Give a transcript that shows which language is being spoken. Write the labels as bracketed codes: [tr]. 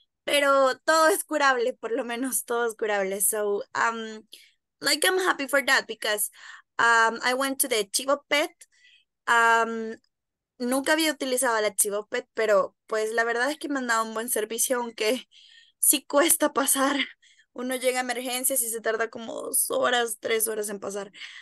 [es] Pero todo es curable, por lo menos todo es curable. [en] So, like I'm happy for that because I went to the Chivo Pet. [es] Nunca había utilizado la Chivo Pet, pero pues la verdad es que me han dado un buen servicio, aunque sí cuesta pasar. Uno llega a emergencias y se tarda como 2 horas, 3 horas en pasar.